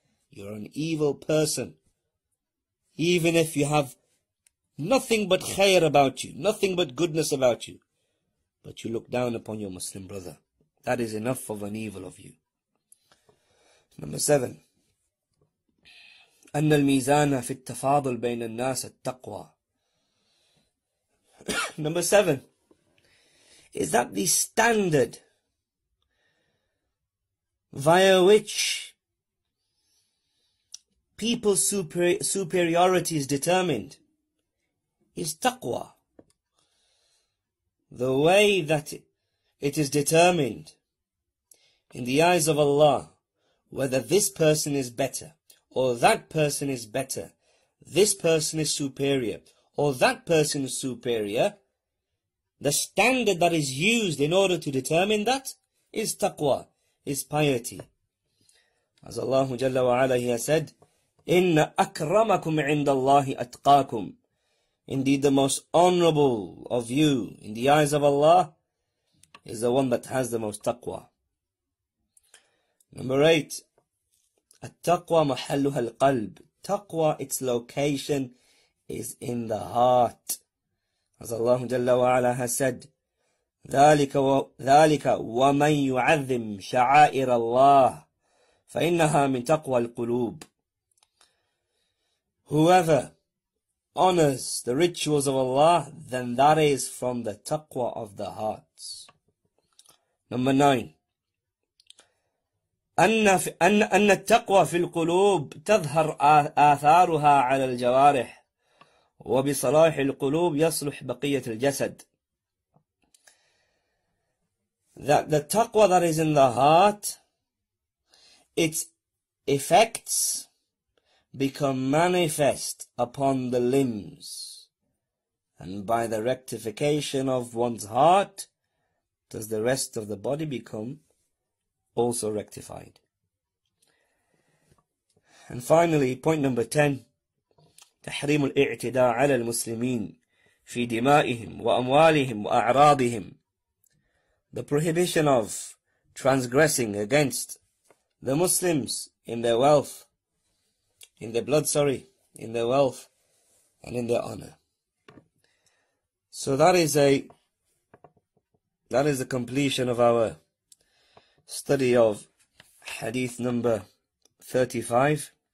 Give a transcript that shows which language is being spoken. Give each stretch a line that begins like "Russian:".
English: You're an evil person. Even if you have nothing but khair about you, nothing but goodness about you, but you look down upon your Muslim brother, that is enough of an evil of you. Number seven.
Arabic: أن الميزان في التفاضل بين الناس التقوى.
English: Number seven. Is that the standard via which people's superiority is determined is taqwa. The way that it is determined in the eyes of Allah, whether this person is better or that person is better, this person is superior or that person is superior, the standard that is used in order to determine that is taqwa, is piety. As Allah Jalla wa Ala has said,
Arabic: إِنَّ أَكْرَمَكُمْ عِنْدَ اللَّهِ أَتْقَاكُمْ.
English: Indeed, the most honorable of you in the eyes of Allah is the one that has the most taqwa. Number eight.
Arabic: التَّقْوَى مَحَلُّهَا الْقَلْبِ.
English: Taqwa, its location is in the heart. As Allah Jalla wa Ala has said,
Arabic: ذَلِكَ وَمَنْ يُعَذِّمْ شَعَائِرَ اللَّهِ فَإِنَّهَا مِنْ تَقْوَى الْقُلُوبِ.
English: Whoever honors the rituals of Allah, then that is from the taqwa of the hearts. Number nine.
Arabic: أن التقوى في القلوب تظهر آثارها على الجوارح وبصلاح القلوب يصلح بقية الجسد.
English: That the taqwa that is in the heart, its effects become manifest upon the limbs, And by the rectification of one's heart, does the rest of the body become also rectified. And finally, point number 10,
Arabic: تحريم الاعتداء على المسلمين في دمائهم وأموالهم وأعراضهم.
English: The prohibition of transgressing against the Muslims in their wealth, in their blood, sorry, in their wealth and in their honor. So that is the completion of our study of Hadith number 35.